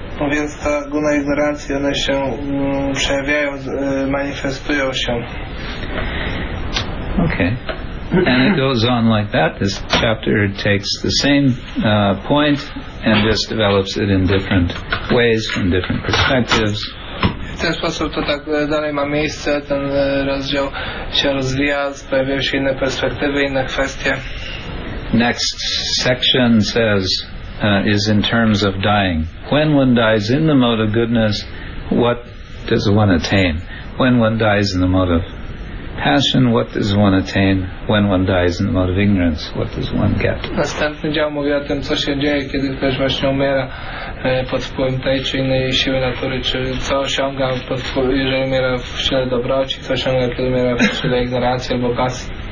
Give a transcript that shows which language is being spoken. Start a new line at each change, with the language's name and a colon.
Polish: Więc ta guna ignorancji, one się przejawiają, manifestują się.
English: Okay. And it goes on like that. This chapter takes the same point and just develops it in different ways, from different perspectives.
Polish: W ten sposób to tak dalej ma miejsce. Ten rozdział się rozwija, pojawiają się inne perspektywy, inne kwestie.
English: Next section says, is in terms of dying. When one dies in the mode of goodness, what does one attain? When one dies in the mode of passion, what does one attain? When one dies in the mode of ignorance, what does one get?
Polish: Następny dział mówi o tym, co się dzieje, kiedy ktoś właśnie umiera pod wpływem tej czy innej siły natury, czy co osiąga, jeżeli umiera w sile dobroci, co osiąga, kiedy umiera w sile ignorancji albo pasji.